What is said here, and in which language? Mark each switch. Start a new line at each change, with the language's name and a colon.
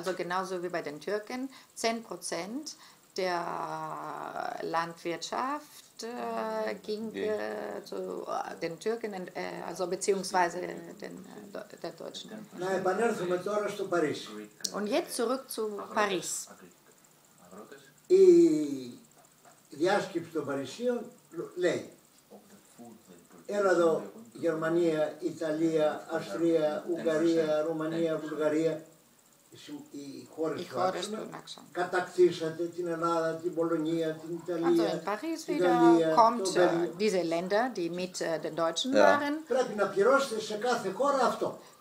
German: Also genauso wie bei den Türken, 10% der Landwirtschaft ging zu den Türken, also beziehungsweise den, der Deutschen.
Greek: Να επανέλθουμε τώρα στο Παρίσι.
German: Und jetzt zurück zu Paris.
Greek: Η διάσκεψη των Παρισίων λέει, έλα εδώ, Γερμανία, Ιταλία, Αυστρία, Ουγγαρία, Ρουμανία, Βουλγαρία, οι χώρες του άξονα. Κατακτήσατε την Ελλάδα, την Πολωνία, την Ιταλία,
German: also in Paris wieder kommt diese Länder, die mit den Deutschen ja. waren.
Greek: Πρέπει να πληρώσετε σε κάθε χώρα αυτό.